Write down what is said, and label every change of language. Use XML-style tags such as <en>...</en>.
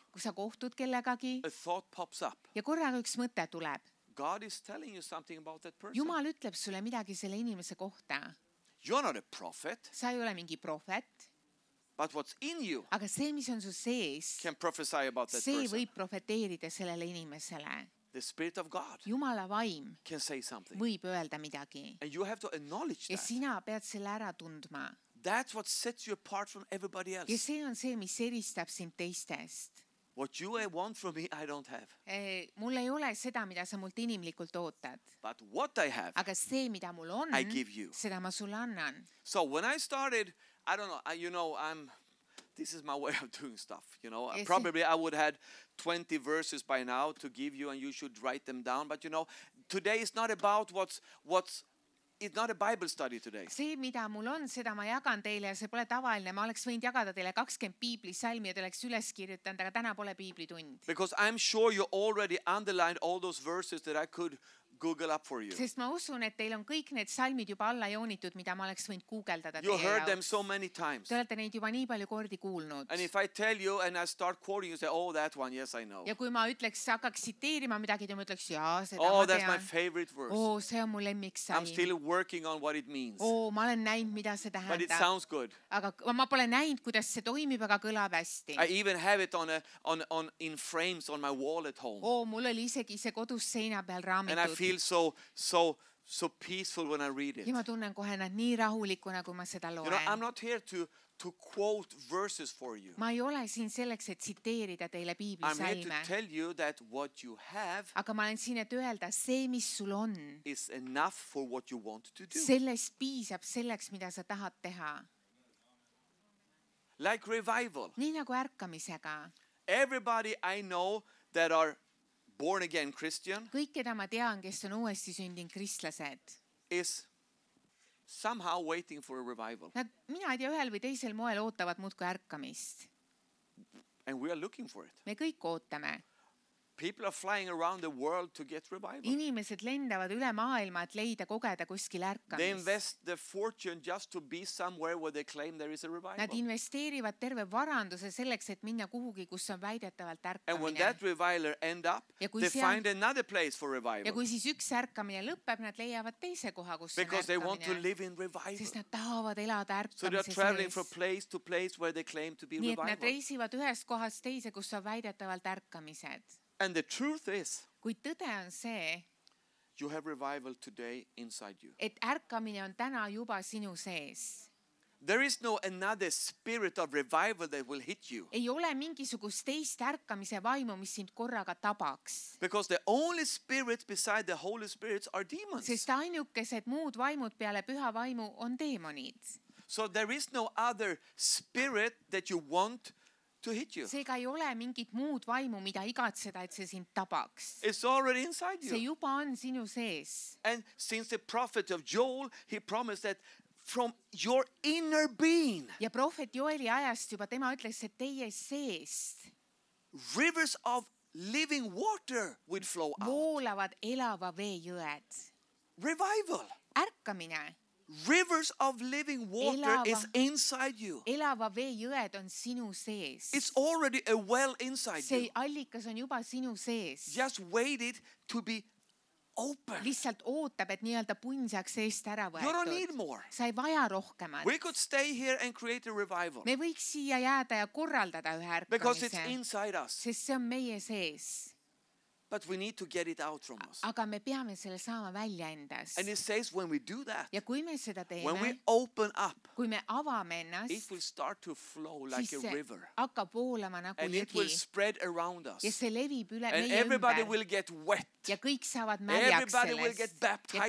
<et>Kui sa kohtud kellegagi ja korraga üks mõte tuleb.</et> <en>God is telling you something about that person.</en> <et>Jumal ütleb sulle midagi selle inimese kohta.</et> <en>You're not a prophet.</en> <et>Sa ei ole mingi prophet.</et> <en>But what's in you?</en> <et>Aga see, mis on su sees,</et> <en>can prophesy about that</en> <et>see</et> <en>person.</en> <et>Võib profeteerida sellele inimesele.</et> <en>The spirit of God</en> <et>Jumala vaim</et> <en>can say something.</en> <et>Võib öelda midagi.</et> <en>And you have to acknowledge that.</en> <et>Ja sina pead selle ära tundma.</et> <en>That's what sets you apart from everybody else.</en> <et>Ja see on see, mis eristab sind teistest.</et> <en>What you want from me, I don't have.</en> <et>Mul ei ole seda, mida sa mult inimlikult ootad.</et> <en>But what I have,</en> <et>aga see, mida mul on,</et> <en>I give you.</en> <et>Seda ma sulle annan.</et> <en>So when I started, I don't know, you know, I'm, this is my way of doing stuff, you know. Probably I would have 20 verses by now to give you and you should write them down. But you know, today is not about what's It's not a Bible study today.</en> <et>See, mida mul on, seda ma jagan teile ja see pole tavaline. Ma oleks võinud jagada teile 20 piibli salmi ja te oleks üles kirjutanud, aga täna pole piibli tund.</et> <en>Because I'm sure you already underlined all those verses that I could Google up for you.</en> <et>Sest ma usun, et teil on kõik need salmid juba alla joonitud, mida ma oleks võinud googeldada.</et> <en>You heard them so many times.</en> <et>Te olete neid juba nii palju kordi kuulnud.</et> <en>And if I tell you and I start quoting, you say, oh, that one, yes, I know.</en> <et>Ja kui ma ütleks, hakkaks siteerima midagi, te ma ütleks, jah, seda ma tean.</et> <en>Oh, that's my favorite verse.</en> <et>Oh, see on mu lemmik salm.</et> <en>I'm still working on what it means.</en> <et>Oh, ma olen näinud, mida see tähendab.</et> <en>But it sounds good.</en> <et>Aga ma pole näinud, kuidas see toimib, aga kõlab hästi.</et> <en>I even have it on in frames on my wall at home.</en> <et>Oh, mul oli isegi see kodus seina peal raamitud.</et> <en>I feel so peaceful when I read it.</en> <et>Ja ma tunnen kohe nad nii rahulikuna, kui ma seda loen.</et> <en>You know, I'm not here to quote verses for you.</en> <et>Ma ei ole siin selleks, et siteerida teile piibli</et> <en>I'm here to tell you that what you have</en> <et>Aga ma olen siin, et öelda, see, mis sul on</et> <en>is enough for what you want to do.</en> <et>Selles piisab selleks, mida sa tahad teha.</et> <en>Like revival.</en> <et>Nii nagu ärkamisega.</et> <en>Everybody I know that are born again Christian,</en> <et>kõik, keda ma tean, kes on uuesti sündinud kristlased,</et> <en>is somehow waiting for a revival.</en> <et>Nad, mina ei tea, ühel või teisel moel ootavad muudkui ärkamist.</et> <en>And we are looking for it.</en> <et>Me kõik ootame.</et> <en>People are flying around the world to get revival.</en> <et>Inimesed lendavad üle maailma, et leida kogeda kuskil ärkamist.</et> <en>They invest the fortune just to be somewhere where they claim there is a revival.</en> <et>Nad investeerivad terve varanduse selleks, et minna kuhugi, kus on väidetavalt ärkamine.</et> <en>And when that reviler end up, they find another place for revival.</en> <et>Ja kui siis üks ärkamine lõpeb, nad leiavad teise koha, kus on ärkamine.</et> <en>Because they want to live in revival.</en> <et>Sest nad tahavad elada ärkamises.</et> <en>So they are traveling from place to place where they claim to be revival.</en> <et>Nii et nad reisivad ühes kohas teise, kus on väidetavalt ärkamised.</et> <en>And the truth is,</en> <et>kuid tõde on see,</et> <en>you have revival today inside you.</en> <et>Et ärkamine on täna juba sinu sees.</et> <en>There is no another spirit of revival that will hit you.</en> <et>Ei ole mingisugust teist ärkamise vaimu, mis sind korraga tabaks.</et> <en>Because the only spirits beside the Holy Spirit are demons.</en> <et>Sest ainukesed muud vaimud peale püha vaimu on demonid.</et> <en>So there is no other spirit that you want to hit you.</en> <et>Seega ei ole mingit muud vaimu, mida igatseda, et see sind tabaks.</et> <en>It's already inside you.</en> <et>See juba on sinu sees.</et> <en>And since the prophet of Joel, he promised that from your inner being.</en> <et>Ja prophet Joeli ajast juba tema ütles, et teie seest.</et> <en>Rivers of living water would flow out.</en> <et>Voolavad elava vee jõed.</et> <en>Revival.</en> <et>Ärkamine.</et> <en>Rivers of living water is inside you.</en> <et>Elava vee jõed on sinu sees.</et> <en>It's already a well inside you.</en> <et>See allikas on juba sinu sees.</et> <en>Just waited to be open.</en> <et>Lihtsalt ootab, et nii-öelda punsaks eest ära võetud.</et> <en>You don't need more.</en> <et>Sa ei vaja rohkemat.</et> <en>We could stay here and create a revival.</en> <et>Me võiks siia jääda ja korraldada ühe ärkamise.</et> <en>Because it's inside us.</en> <et>Sest see on meie sees.</et> <en>But we need to get it out from us.</en> <et>Aga me peame selle saama välja endas.</et> <en>And it says when we do that.</en> <et>Ja kui me seda teeme.</et> <en>When we open up.</en> <et>Kui me avame ennast.</et> <en>It will start to flow like a river.</en> <et>Hakkab voolama nagu jõgi.</et> <en>And it will spread around us.</en> <et>Ja see levib üle meie ümber.</et> <en>And everybody will get wet.</en> <et>Ja kõik saavad märjaks sellest.</et> <en>Everybody will get baptized in that.</en>